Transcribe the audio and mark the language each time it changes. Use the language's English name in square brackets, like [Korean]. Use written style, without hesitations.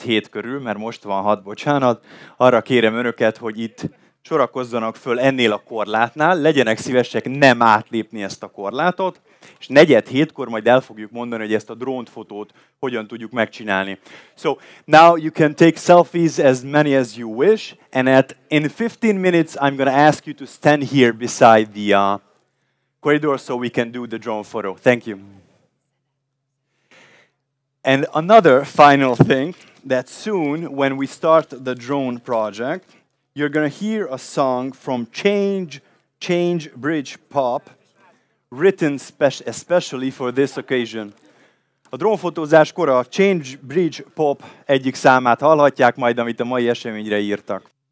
[Hungarian] körül, mert most van 6, bocsánat, arra kérem önöket, hogy itt sorakozzanak föl ennél a korlátnál, legyenek szívesek nem átlépni ezt a korlátot, és 6:45-kor majd el fogjuk mondani, hogy ezt a drónfotót hogyan tudjuk megcsinálni. [English] So, now you can take selfies as many as you wish, and in 15 minutes I'm going to ask you to stand here beside the corridor so we can do the drone photo. Thank you. And another final thing, that soon, when we start the drone project, you're going to hear a song from Change Bridge Pop, written especially for this occasion. [Hungarian] A drónfotózáskor a Change Bridge Pop egyik számát hallhatják majd, amit a mai eseményre írtak.